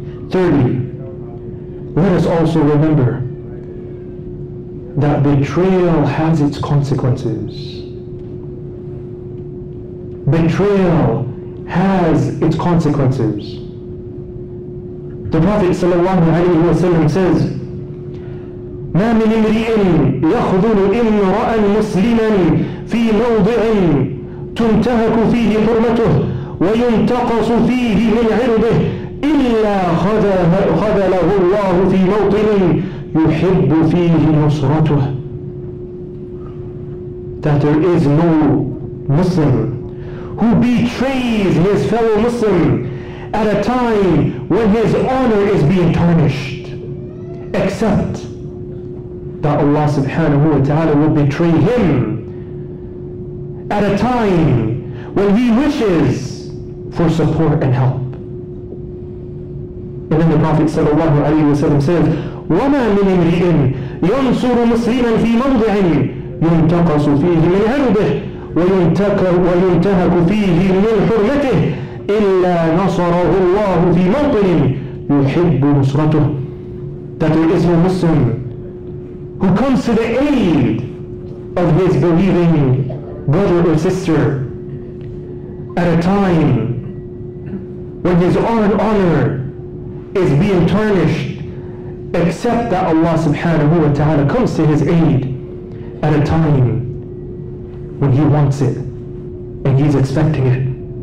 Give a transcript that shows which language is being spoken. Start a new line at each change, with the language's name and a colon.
English: Thirdly, let us also remember that betrayal has its consequences. Betrayal has its consequences. The Prophet sallallahu alaihi wasallam says,
Arabic: "مَا مِنْ إِمْرِئٍ يَخْذُلُ إِمْرَأً مُسْلِمًا فِي مَوْضِعٍ تُمْتَهَكُ فِيهِ حُرْمَتُهُ وَيُنْتَقَصُ فِيهِ مِنْ عِرْضِهِ إِلَّا خَذَلَهُ اللَّهُ فِي مَوْطِنٍ يُحِبُّ فِيهِ نُصْرَتُهُ."
English: That there is no Muslim who betrays his fellow Muslim at a time when his honor is being tarnished, except that Allah subhanahu wa ta'ala will betray him at a time when he wishes for support and help. And then the Prophet sallallahu alaihi wasallam says,
Arabic: "وَمَا مِنْ إِمْرِئٍ يَنْصُرُ مُسْلِمًا فِي مَوْضِعٍ يُنْتَقَصُ فِيهِ مِنْ عِرْضِهِ وَيُنْتَهَكُ فِيهِ مِنْ حُرْمَتِهِ إِلَّا نَصَرَهُ اللَّهُ فِي مَوْطِنٍ يُحِبُّ نُصْرَتُهُ."
English: That there is no Muslim who comes to the aid of his believing brother or sister at a time when his honor is being tarnished, except that Allah subhanahu wa ta'ala comes to his aid at a time when he wants it and he's expecting it.